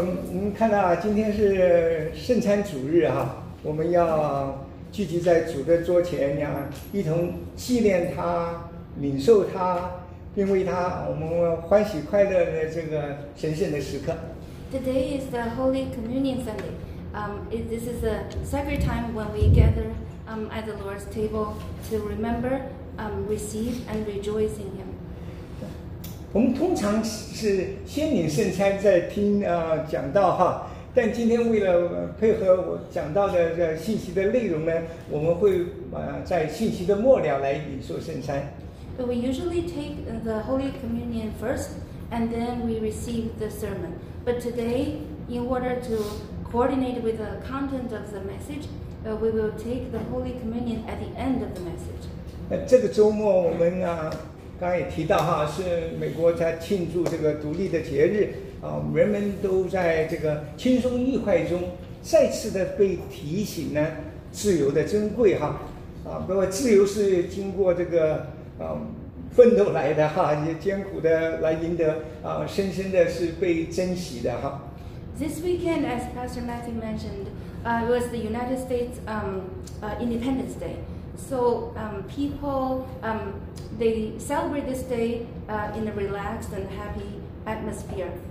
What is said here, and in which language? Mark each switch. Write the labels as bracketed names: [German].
[Chinese] 你看到啊，今天是圣餐主日哈、啊，我们要聚集在主的桌前呀，一同纪念他，领受他，并为他我们欢喜快乐的这个神圣的时刻。 [English] Today is the Holy Communion Sunday. This is a sacred time when we gather at the Lord's table to remember, receive and rejoice in Him. [Chinese] 我们通常是先领圣餐，再听讲道哈。但今天为了配合我讲到的这信息的内容呢，我们会在信息的末了来领受圣餐。 [English] But we usually take the Holy Communion first, and then we receive the sermon. But today, in order to coordinate with the content of the message, we will take the Holy Communion at the end of the message. [Chinese] 这个周末我们刚刚也提到哈，是美国在庆祝这个独立的节日啊，人们都在这个轻松愉快中再次的被提醒呢，自由的珍贵哈，啊，不过自由是经过这个。奋斗来的哈，也艰苦的来赢得啊，深深的是被珍惜的哈。 [English] This weekend, as Pastor Matthew mentioned, was the United States Independence Day. So people celebrate this day in a relaxed and happy atmosphere.